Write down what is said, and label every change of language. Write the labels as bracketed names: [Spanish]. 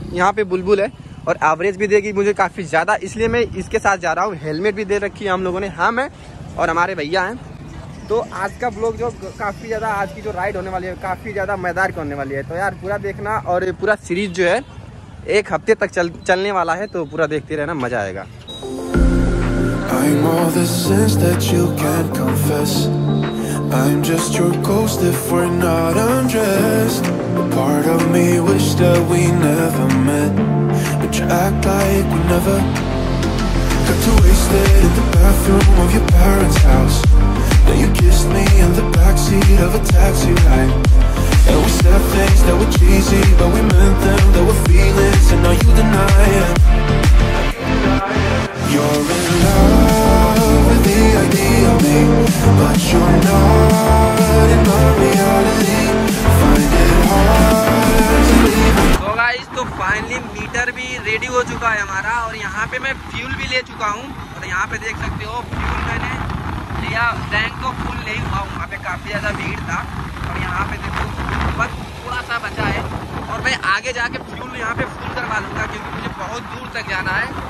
[Hindi] यहाँ पे बुलबुल है और एवरेज भी देगी मुझे काफ़ी ज़्यादा, इसलिए मैं इसके साथ जा रहा हूँ। हेलमेट भी दे रखी है हम लोगों ने, हम हैं और हमारे भैया हैं। तो आज का ब्लॉग जो काफ़ी ज़्यादा, आज की जो राइड होने वाली है काफ़ी ज़्यादा मजेदार होने वाली है। तो यार पूरा देखना, और पूरा सीरीज जो है एक हफ्ते तक चलने वाला है, तो पूरा देखते रहना, मजा आएगा। [English] I'm all the sins that you can't confess. I'm just your ghost if we're not undressed. Part of me wish that we never met, but you act like we never got to waste it in the bathroom of your parents' house. Then you kissed me in the backseat of a taxi ride. And we said things that were cheesy, but we meant them. There were feelings, and now you deny it. You're in love with the idea of me, but you're not in my reality. Find it hard to leave. So guys, [Hindi] तो finally meter भी ready हो चुका है हमारा, और यहाँ पे मैं fuel भी ले चुका हूँ। और यहाँ पे देख सकते हो fuel मैंने लिया, tank तो full नहीं हुआ, वहाँ पे काफी ज़्यादा भीड़ था। और यहाँ पे देखो बस थोड़ा सा बचा है, और मैं आगे जाके फ्यूल यहाँ पे फुल करवा लूँगा, क्योंकि मुझे बहुत दूर तक जाना है।